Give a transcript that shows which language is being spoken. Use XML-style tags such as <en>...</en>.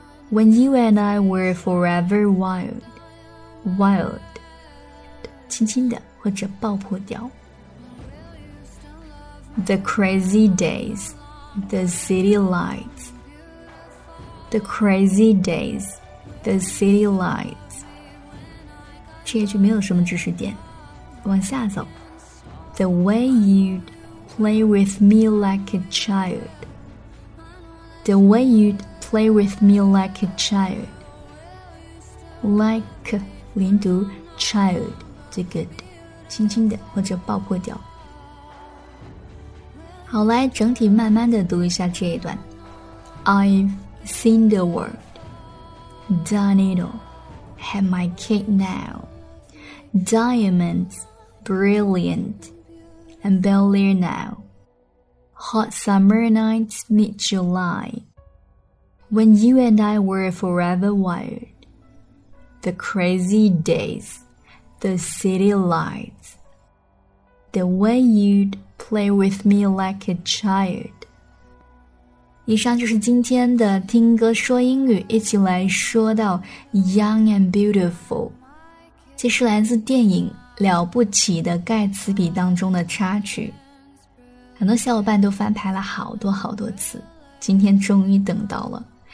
<en>When you and I were forever wild, wild,</en> <zh>轻轻的或者爆破掉。</zh> <en>The crazy days, the city lights. The crazy days, the city lights.</en> <zh>这句没有什么知识点，往下走。</zh> <en>The way you'd play with me like a child. The way you'd play with me like a child.</en> <zh>Like 连读 child 这个轻轻的或者爆破掉。好，来整体慢慢的读一下这一段。</zh> <en>I've seen the world, done it all, had my cake now. Diamonds, brilliant, and belier now. Hot summer nights, mid-July. When you and I were forever wild. The crazy days, the city lights. The way you'd play with me like a child.</en> <zh>以上就是今天的听歌说英语，一起来说到 Young and Beautiful. 这是来自电影《了不起的盖茨比》当中的插曲，很多小伙伴都翻拍了好多好多次，今天终于等到了。</zh>